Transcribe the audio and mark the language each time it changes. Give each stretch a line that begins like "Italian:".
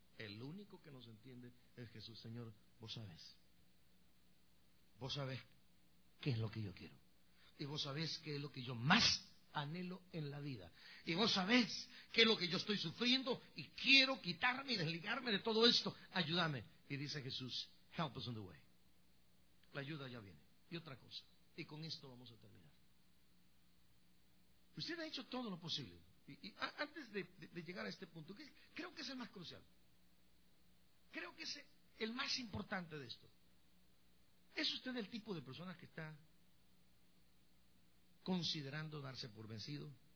Spanish: El único que nos entiende es Jesús. Señor, vos sabés. Vos sabés qué es lo que yo quiero. Y vos sabés qué es lo que yo más anhelo en la vida. Y vos sabés qué es lo que yo estoy sufriendo y quiero quitarme y desligarme de todo esto. Ayúdame. Y dice Jesús,
English: help us on the way.
Spanish: La ayuda ya viene. Y otra cosa. Y con esto vamos a terminar. Usted ha hecho todo lo posible. Y antes de llegar a este punto, que creo que es el más crucial. Creo que es el más importante de esto. ¿Es usted el tipo de persona que está considerando darse por vencido?